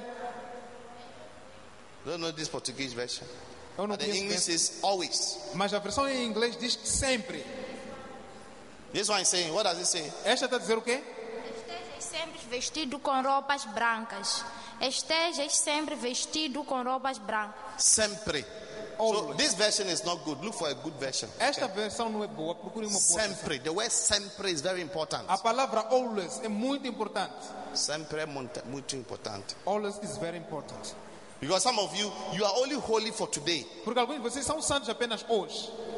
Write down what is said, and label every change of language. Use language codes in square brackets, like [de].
[en] I don't know this Portuguese version. [pt] Eu não [en] but the English is always. [pt] Mas a versão em inglês diz sempre. [en] This one is saying, what does it say? [pt] Esta está a dizer o quê? Estejas sempre vestido com roupas brancas. Estejas sempre vestido com roupas brancas. Sempre. [en] Always. So this version is not good. Look for a good version. [pt] Esta okay. versão não é boa. Procure uma boa. Sempre. Versão. [en] The word sempre is very important. [pt] A palavra always é muito importante. Sempre é muito importante. [en] Always is very important. Because some of you are only holy for today. [pt] Porque alguns de vocês são santos apenas hoje.